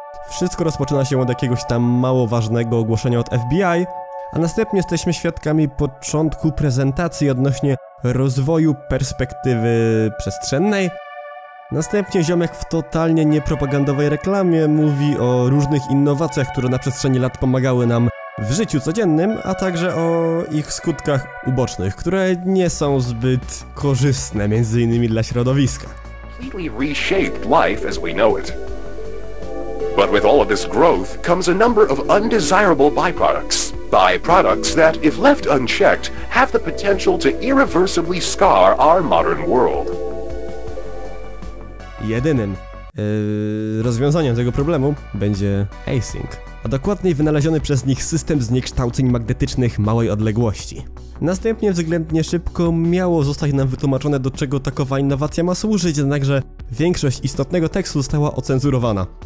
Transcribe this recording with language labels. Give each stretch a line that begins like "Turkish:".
Polish: Wszystko rozpoczyna się od jakiegoś tam mało ważnego ogłoszenia od FBI, a następnie jesteśmy świadkami początku prezentacji odnośnie rozwoju perspektywy przestrzennej. Następnie ziomek w totalnie niepropagandowej reklamie mówi o różnych innowacjach, które na przestrzeni lat pomagały nam w życiu codziennym, a także o ich skutkach ubocznych, które nie są zbyt korzystne, między innymi dla środowiska.
English: Completely reshaped life as we know it. But with all of this growth comes a number of undesirable byproducts. Byproducts that, if left unchecked, have the potential to irreversibly scar our modern world.
Polish: Jedynym rozwiązaniem tego problemu będzie async, a dokładniej wynaleziony przez nich system zniekształceń magnetycznych małej odległości. Następnie względnie szybko miało zostać nam wytłumaczone, do czego takowa innowacja ma służyć, jednakże większość istotnego tekstu została ocenzurowana.